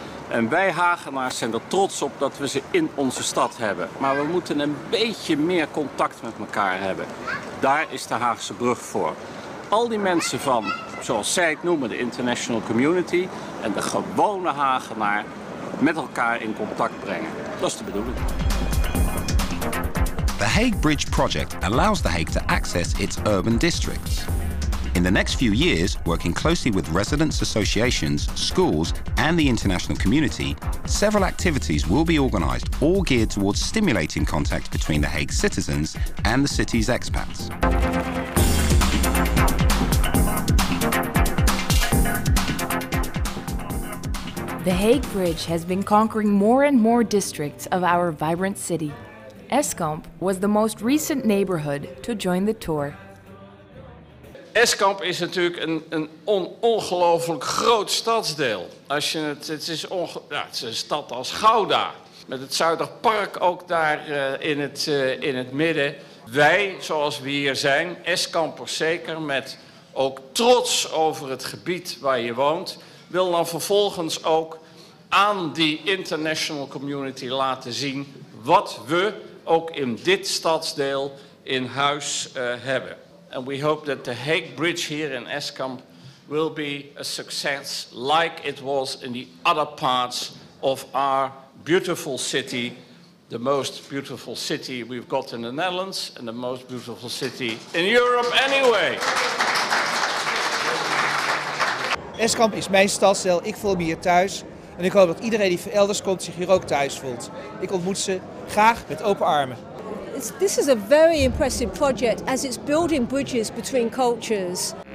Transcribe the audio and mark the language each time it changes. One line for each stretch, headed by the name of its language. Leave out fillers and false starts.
Dutch: En wij Hagenaars zijn er trots op dat we ze in onze stad hebben. Maar we moeten een beetje meer contact met elkaar hebben. Daar is de Haagse Brug voor. Al die mensen van, zoals zij het noemen, de international community en de gewone Hagenaar met elkaar in contact brengen. Dat is de bedoeling.
English: The Hague Bridge project allows The Hague to access its urban districts. In the next few years, working closely with residents' associations, schools and the international community, several activities will be organised, all geared towards stimulating contact between The Hague citizens and the city's expats. The Hague Bridge has been conquering more and more districts of our vibrant city. Eskamp was the most recent neighborhood to join the tour.
Dutch: Eskamp is natuurlijk een ongelooflijk groot stadsdeel. Als je het is een stad als Gouda, met het Zuiderpark ook daar in het midden. Wij, zoals we hier zijn, Eskampers zeker, met ook trots over het gebied waar je woont, wil dan vervolgens ook aan die international community laten zien wat we ook in dit stadsdeel in huis hebben.
English: And we hope that the Hague Bridge here in Eskamp will be a success like it was in the other parts of our beautiful city, the most beautiful city we've got in the Netherlands and the most beautiful city in Europe anyway.
Dutch: Eskamp is mijn stadsdeel, ik voel me hier thuis. En ik hoop dat iedereen die van elders komt zich hier ook thuis voelt. Ik ontmoet ze graag met open armen.
English: This is a very impressive project as it's building bridges between cultures.